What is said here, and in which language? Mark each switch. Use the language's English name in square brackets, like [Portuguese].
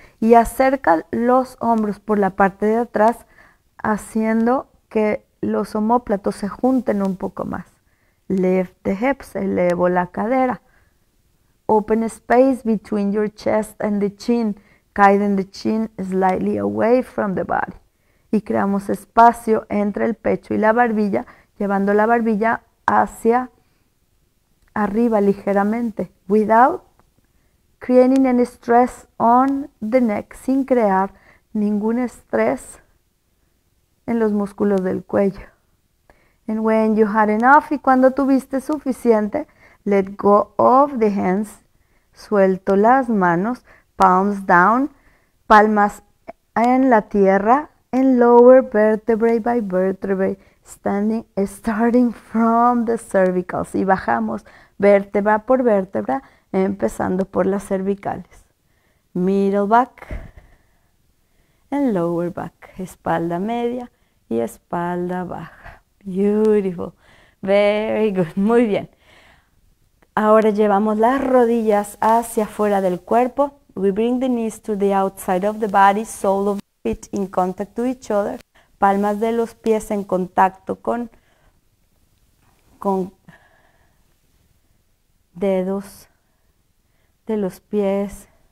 [Spanish] Y acerca los hombros por la parte de atrás, haciendo que los omóplatos se junten un poco más. [English] Lift the hips, [Spanish] elevo la cadera. [English] Open a space between your chest and the chin. Guiding the chin slightly away from the body. Y creamos espacio entre el pecho y la barbilla, llevando la barbilla hacia arriba ligeramente. Without creating any stress on the neck, [Spanish] sin crear ningún estrés en los músculos del cuello. [English] And when you had enough, [Spanish] y cuando tuviste suficiente, [English] let go of the hands, [Spanish] suelto las manos, [English] palms down, [Spanish] palmas en la tierra, [English] and lower vertebrae by vertebrae, starting from the cervicals, [Spanish] y bajamos vértebra por vértebra, empezando por las cervicales. [English] Middle back, and lower back, [Spanish] espalda media, y espalda baja. [English] Beautiful. Very good. [Spanish] Muy bien. Ahora llevamos las rodillas hacia afuera del cuerpo. [English] We bring the knees to the outside of the body. Sole of the feet in contact to each other. [Spanish] Palmas de los pies en contacto con dedos de los pies.